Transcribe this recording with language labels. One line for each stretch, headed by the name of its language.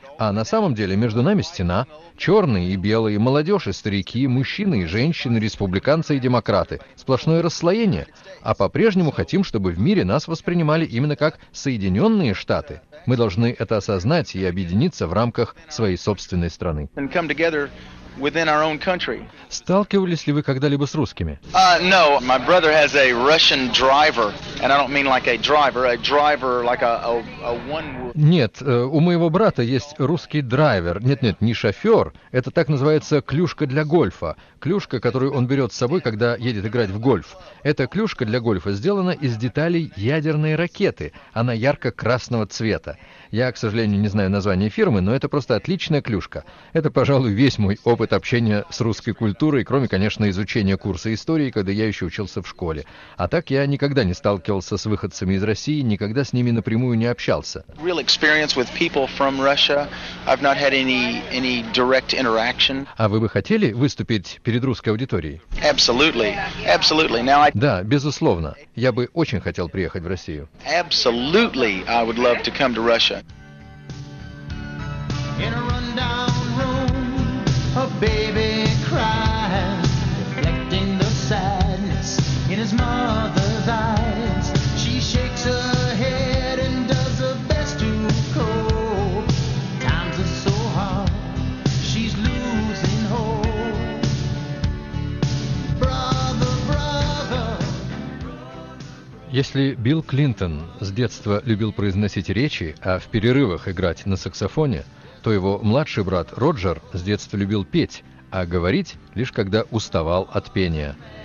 Russian: А на самом деле между нами стена. Черные и белые, молодежь и старики, мужчины и женщины, республиканцы и демократы. Сплошное расслоение. А по-прежнему хотим, чтобы в мире нас воспринимали именно как Соединенные Штаты. Мы должны это осознать и объединиться в рамках своей собственной страны.
English: And come together within our own country.
Russian: Сталкивались ли вы когда-либо с русскими?
English: No, my brother has a Russian driver, and I don't mean like a driver like a one.
Russian: Нет, у моего брата есть русский драйвер. Нет, не шофер. Это так называется клюшка для гольфа. Клюшка, которую он берет с собой, когда едет играть в гольф. Эта клюшка для гольфа сделана из деталей ядерной ракеты. Она ярко-красного цвета. Я, к сожалению, не знаю название фирмы, но это просто отличная клюшка. Это, пожалуй, весь мой опыт. опыт общения с русской культурой, кроме, конечно, изучения курса истории, когда я еще учился в школе. А так я никогда не сталкивался с выходцами из России, никогда с ними напрямую не общался.
English: Real experience with people from Russia. I've not had any direct interaction.
Russian: А вы бы хотели выступить перед русской аудиторией?
English: Absolutely. Absolutely. Now I...
Russian: Да, безусловно. Я бы очень хотел приехать в Россию.
English: Absolutely. I would love to come to Russia. In a rundown room, a baby cries, reflecting the sadness in his mother's eyes. She shakes her head and does her best to cope. Times are so hard, she's losing hope. Brother, brother, brother.
Russian: Если Билл Клинтон с детства любил произносить речи, а в перерывах играть на саксофоне, то его младший брат Роджер с детства любил петь, а говорить лишь когда уставал от пения.